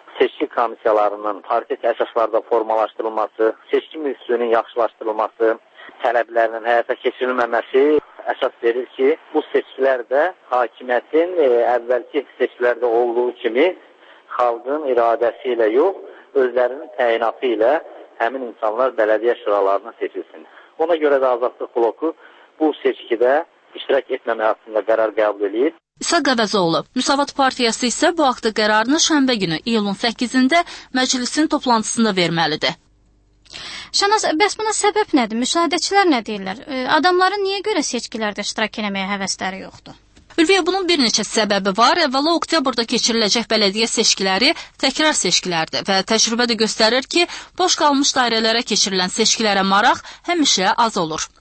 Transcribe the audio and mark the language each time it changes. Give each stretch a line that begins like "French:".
Azerbaijani: Seçki komissiyalarının partiyə əsaslarda formalaşdırılması, seçki mühsünün yaxşılaşdırılması, tələblərinin həyata keçirilməməsi əsas verir ki, bu seçkilərdə hakimiyyətin əvvəlki seçkilərdə olduğu kimi xalqın iradəsi ilə yox, özlərinin təyinatı ilə həmin insanlar bələdiyyə şuralarını seçilsin. Ona görə də Azadlıq bloku
Turkish: bu seçkide iştirak etmeme hakkında karar kabul edilir.
Azerbaijani: İsa Qəvəzoğlu, Müsavat Partiyası isə bu haqda qərarını şənbə günü, iyulun 8-də məclisin toplantısında verməlidir. Şanaz, bəs buna səbəb nədir? Müşahidəçilər nə deyirlər? Adamların niyə görə seçkilərdə iştirak eləməyə həvəsləri yoxdur? Ülviyə, bunun bir neçə səbəbi var. Əvvəla oktyabrda keçiriləcək bələdiyyə seçkiləri təkrar seçkilərdir və təcrübə də göstərir ki, boş qalmış dairələrə keçirilən seçkilərə maraq həmişə az olur.